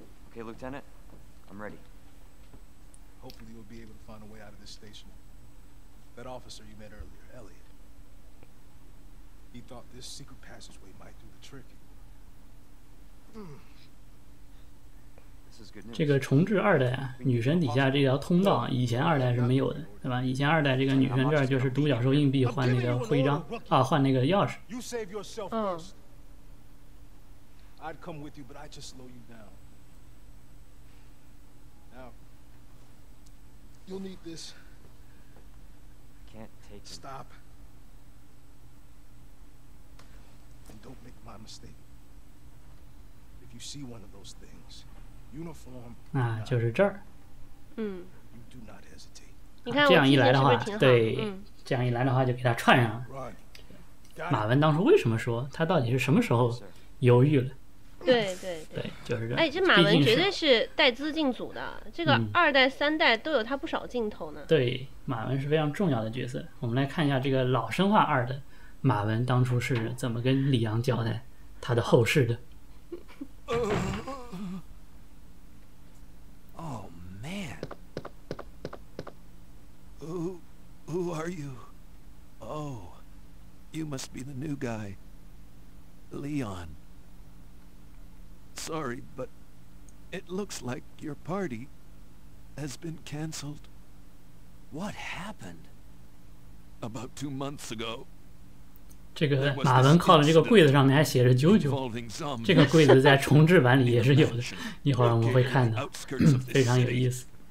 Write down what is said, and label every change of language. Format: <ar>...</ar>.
<en>Okay, Lieutenant, I'm ready. Hopefully you'll be able to find a way out of this station. That officer you met earlier, Elliot, he thought this secret passageway might do the trick. This is good news.</en> <zh>这个重置二代啊，女神底下这条通道，以前二代是没有的，对吧？以前二代这个女神这儿就是独角兽硬币换那个徽章啊，换那个钥匙。</zh> <en>You save yourself first. I'd come with you, but I just slow you down. Now, you'll need this. Can't take it. Stop. And don't make my mistake. If you see one of those things, uniform.</en> <zh>那就是这儿。</zh> <en>You do not hesitate.</en> <zh>这样一来的话，你看我记性是不是挺好？对，这样一来的话就给他串上了。马文当初为什么说？他到底是什么时候犹豫了？对对对，对，就是这样。哎，这马毕文竟绝对是带资进组的，这个二代、三代都有他不少镜头呢。对，马文是非常重要的角色。我们来看一下这个老生化二的马文当初是怎么跟里昂交代他的后事的。</zh> <en>Oh man, who are you? Oh, you must be the new guy, Leon. Sorry, but it looks like your party has been canceled. What happened? About 2 months ago,</en> <zh>这个马文靠的这个柜子上面还写着啾啾，这个柜子在重置版里也是有的，一会儿我们会看的，非常有意思。</zh>